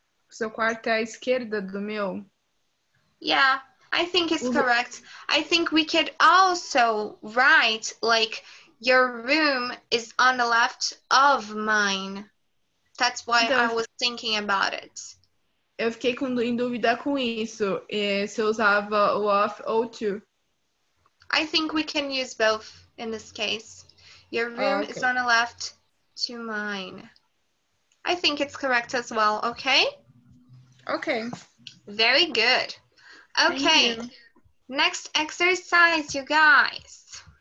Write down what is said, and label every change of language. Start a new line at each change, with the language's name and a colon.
Portuguese: Seu quarto é à esquerda do meu?
English: Yeah. I think it's correct. I think we could also write, like, your room is on the left of mine. That's why I was thinking about it.
Portuguese: Eu fiquei em dúvida com isso, se eu usava o off ou to.
English: I think we can use both in this case. Your room is on the left to mine. I think it's correct as well, okay? Okay. Very good. Okay, next exercise, you guys.